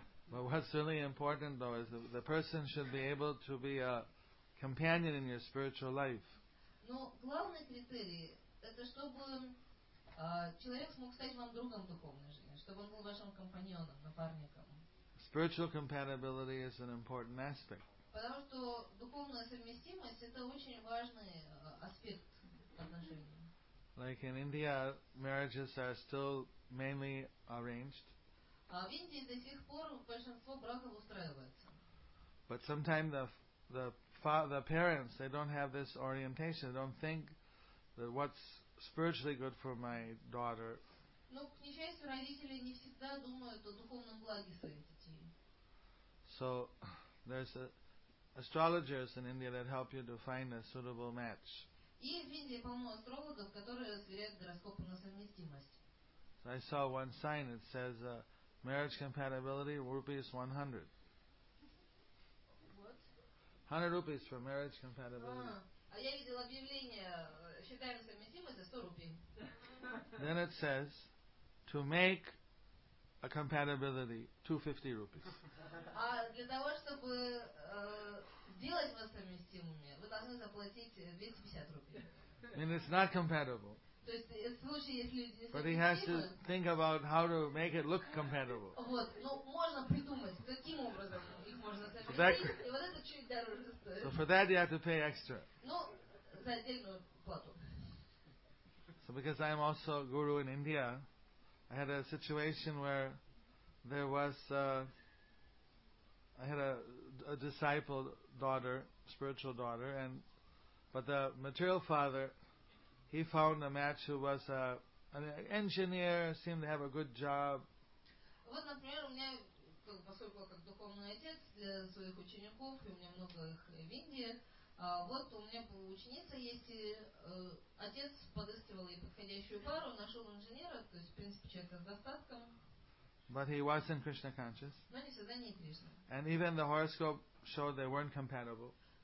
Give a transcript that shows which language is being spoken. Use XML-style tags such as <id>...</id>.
<en>But what's really important, though, is that the person should be able to be a companion in your spiritual life.</en> <ru>Но главный критерий это чтобы человек смог стать вам другом духовной жизни, чтобы он был вашим компаньоном, напарником.</ru> <en>Spiritual compatibility is an important aspect.</en> <ru>Потому что духовная совместимость это очень важный аспект отношений.</ru> <en>Like in India, marriages are still mainly arranged.</en> <ru>А в Индии до сих пор большинство браков устраивается.</ru> <en>But sometimes the parents, they don't have this orientation. They don't think that what's spiritually good for my daughter.</en> <ru>Но, к несчастью, родители не всегда думают о духовном благе своих детей.</ru> <en>So, there's astrologers in India that help you to find a suitable match.</en> <ru>И в Индии полно астрологов, которые сверяют гороскопы на совместимость.</ru> <en>I saw one sign, it says, marriage compatibility, rupees 100. What? 100 rupees for marriage compatibility.</en> <ru>А я видела объявление, считаем совместимость за 100 рупий.</ru> <en>Then it says, to make a compatibility, 250 rupees.</en> <ru>А для того, чтобы сделать вас совместимыми, вы должны заплатить 250 рупий.</ru> <en>I mean, it's not compatible.</en> <ru>То есть, в случае, если люди</ru> <en>But he has to think about how to make it look compatible.</en> <ru>Вот, ну, можно придумать, каким образом их можно совместить, и вот это чуть дороже стоит.</ru> <en>So for that you have to pay extra.</en> <ru>Ну, за отдельную плату.</ru> <en>So because I'm also a guru in India, I had a situation where There was I had a disciple daughter, spiritual daughter, and but the material father, he found a match who was an engineer, seemed to have a good job.</en> <ru>Вот, например, у меня, поскольку как духовный отец своих учеников, и у меня много их в Индии, вот у меня ученица есть, и отец подыскивал ей подходящую пару, нашел инженера, то есть, в принципе, человек с достатком.</ru> <en>But he wasn't Krishna conscious. And even the horoscope showed they weren't compatible.</en>